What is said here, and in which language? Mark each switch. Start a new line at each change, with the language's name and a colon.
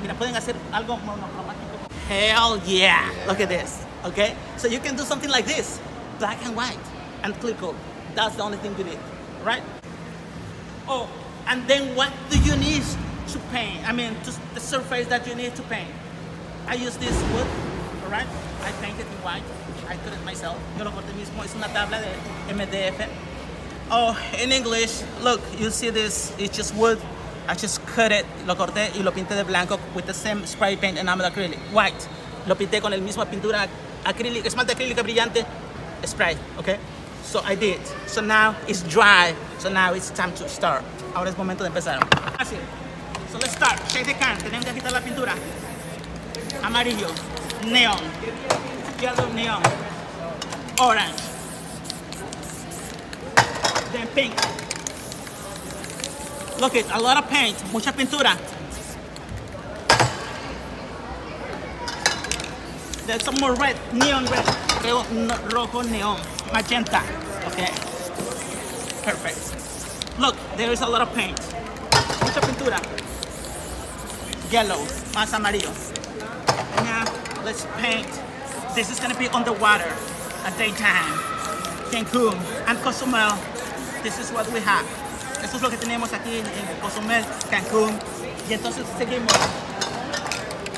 Spanish: Mira, pueden hacer algo monocromático.
English: Hell yeah! Look at this. Okay, so you can do something like this, black and white, and clear coat. That's the only thing you need, right? Oh, and then what do you need to paint? I mean, just the surface that you need to paint. I use this wood, all right? I painted in white, I cut it myself.
Spanish: Yo lo corté mismo, es una tabla de MDF.
English: Oh, in English, look, you see this, it's just wood. I just cut it,
Spanish: lo corté y lo pinté de blanco
English: with the same spray paint enamel acrylic, white.
Spanish: Lo pinté con el mismo pintura acrílica, esmalte acrílica brillante, spray, okay?
English: So I did. So now it's dry. So now it's time to start.
Spanish: Ahora es momento de empezar. Así.
English: So let's start. Shake the can.
Spanish: Tenemos que quitar la pintura. Amarillo.
English: Neon. Yellow neon. Orange. Then pink. Look it, a lot of paint.
Spanish: Mucha pintura.
English: There's some more red, neon red.
Spanish: Creo rojo neon, magenta.
English: Okay, perfect. Look, there is a lot of paint.
Spanish: Mucha pintura. Yellow, más amarillo.
English: Now, let's paint. This is gonna be on the water at daytime. Cancun and Cozumel. This is what we have.
Spanish: Esto es lo que tenemos aquí en Cozumel, Cancun. Y entonces seguimos.